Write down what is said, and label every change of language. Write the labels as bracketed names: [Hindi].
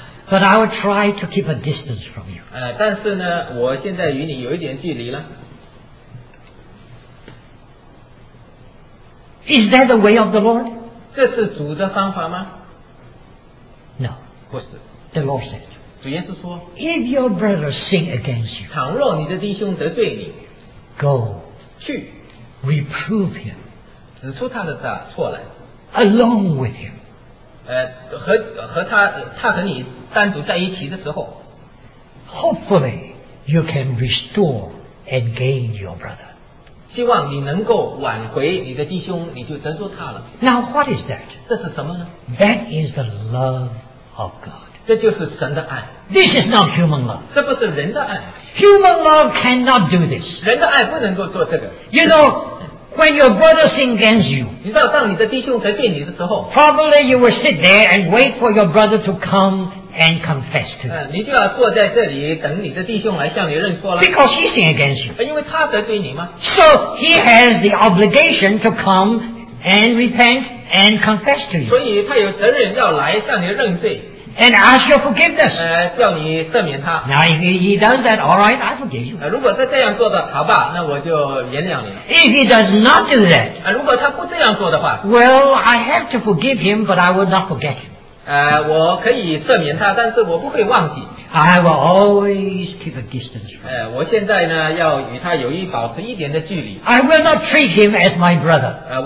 [English] ，But I will try to keep a distance from you. [Chinese] 但是呢，我现在与你有一点距离了。 [English] Is that the way of the Lord? [Chinese] 这是主的方法吗 [English] ？No， [Chinese] 不是。 [English] The Lord said， [Chinese] 主耶稣说 [English] ，If your brother sin against you， [Chinese] 倘若你的弟兄得罪你 [English] ，Go， [Chinese] 去 [English] ，Reprove him， [Chinese] 指出他的错来 [English] ，Along with him， [Chinese] 和他和你单独在一起的时候 [English] ，Hopefully you can restore and gain your brother。 [Chinese] 希望你能够挽回你的弟兄，你就得着他了。 [English] Now what is that? [Chinese] 这是什么呢 [English] ？That is the love of God. [Chinese] 这就是神的爱。 [English] This is not human love. [Chinese] 这不是人的爱。 [English] Human love cannot do this. [Chinese] 人的爱不能够做这个。 [English] You know, when your brother sins against you, [Chinese] 你知道当你的弟兄得罪你的时候 [English] ，probably you will sit there and wait for your brother to come. And confess to. [Chinese] 你就要坐在这里等你的弟兄来向你认错了。 [English] Because he sinned against you. [Chinese] 因为他得罪你吗 [English] ？So he has the obligation to come and repent and confess to you. [Chinese] 所以他有责任要来向你认罪。 [English] And ask your forgiveness. [Chinese] 叫你赦免他。 [English] Now if he does that, all right, I forgive you. [Chinese] 如果他这样做的，好吧，那我就原谅你了。 [English] If he does not do that, [Chinese] 如果他不这样做的话 [English] ，Well, I have to forgive him, but I will not forget him. [Chinese] 我可以赦免他，但是我不会忘记。 [English] I will always keep a distance. [Chinese] 我现在呢，要与他有保持一点的距离。 [English] I will not treat him as my brother.